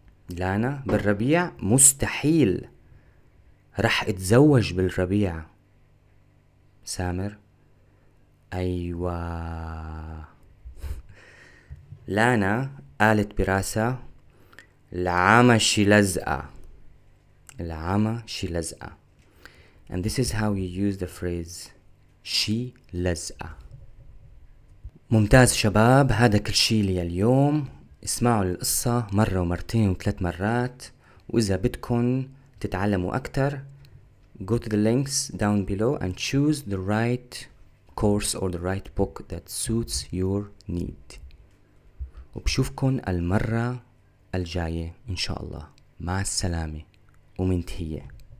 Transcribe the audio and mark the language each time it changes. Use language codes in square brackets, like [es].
[ar] لانا: بالربيع مستحيل، رح اتزوج بالربيع. سامر: أيوة. لانا قالت براسها: العمى شي لزقة، العمى شي لزقة. [en] And this is how you use the phrase [ar] شي لزقة. ممتاز شباب، هذا كل شيء لليوم. اسمعوا القصة مرة ومرتين وثلاث مرات، وإذا بدكم تتعلموا أكثر [en] go to the links down below and choose the right course or the right book that suits your need. [ar] وبشوفكن المرة الجاية إن شاء الله. مع السلامة ومنتهية.